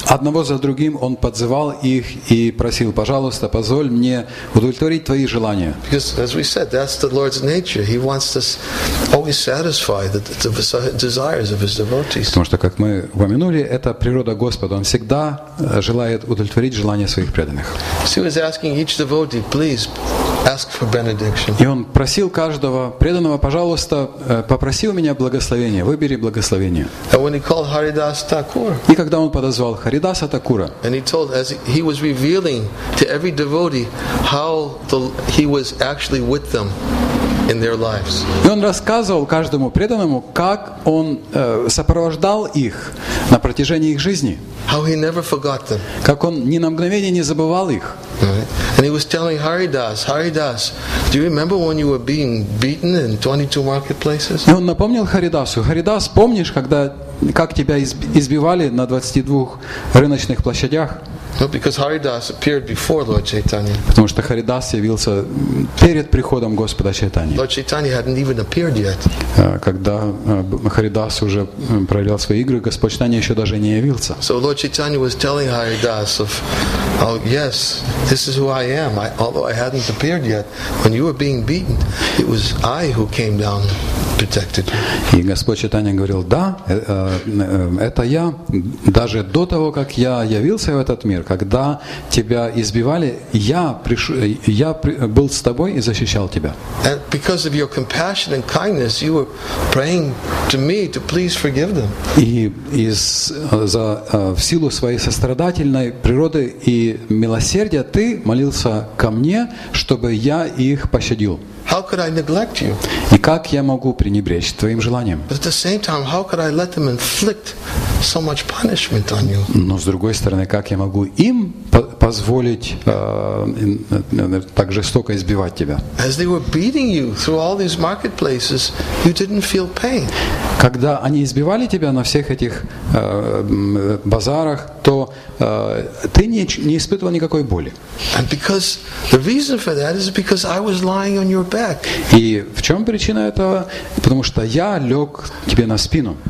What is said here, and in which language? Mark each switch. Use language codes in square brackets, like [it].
[ru] Одного за другим он подзывал их и просил: пожалуйста, позволь мне удовлетворить твои желания. [en] Because, as we said, that's the Lord's nature. He wants to always satisfy the desires of his devotees. [ru] Потому что, как мы упомянули, это природа Господа. Он всегда желает удовлетворить желания своих преданных. [en] He was asking each devotee, please. Ask for benediction. [ru] И он просил каждого преданного: пожалуйста, попроси у меня благословения, выбери благословение. [en] And when he called Haridas Thakur, [ru] и когда он подозвал Харидаса Такура, [en] and he told, as he was revealing to every devotee how he was actually with them in their lives. [ru] И он рассказывал каждому преданному, как он сопровождал их на протяжении их жизни. [en] How he never forgot them. [ru] Как он ни на мгновение не забывал их. [en] And he was telling Haridas, Haridas, do you remember when you were being beaten in 22 marketplaces? [ru] И он напомнил Харидасу: Харидас, помнишь, когда как тебя избивали на 22 рыночных площадях? [en] Well, because Haridas appeared before Lord Chaitanya. [ru] Потому что Харидас явился перед приходом Господа Чайтани. [en] Lord Chaitanya hadn't even appeared yet. [ru] Когда Харидас уже проявлял свои игры, Господь Чайтани еще даже не явился. [en] So Lord Chaitanya was telling Haridas of, oh yes, this is who I am. Although I hadn't appeared yet, when you were being beaten, it was I who came down. Protected. [ru] И Господь Чайтанья говорил: да, это я. Даже до того, как я явился в этот мир, когда тебя избивали, я был с тобой и защищал тебя. [en] And because of your compassion and kindness, you were praying to me to please forgive them. [ru] И из-за в силу своей сострадательной природы и милосердия ты молился ко мне, чтобы я их пощадил. [en] How could I neglect you? [ru] И как я могу пренебречь твоим желанием? [en] But at the same time, how could I let them inflict so much punishment on you? [ru] Но с другой стороны, как я могу им позволить так жестоко избивать тебя? [en] As they were beating you through all these marketplaces, you didn't feel pain. [ru] Когда они избивали тебя на всех этих базарах, то ты не испытывал никакой боли. [en] And because the reason for that is because I was lying on your back. [ru] И в чем причина этого? Потому что я лег тебе на спину.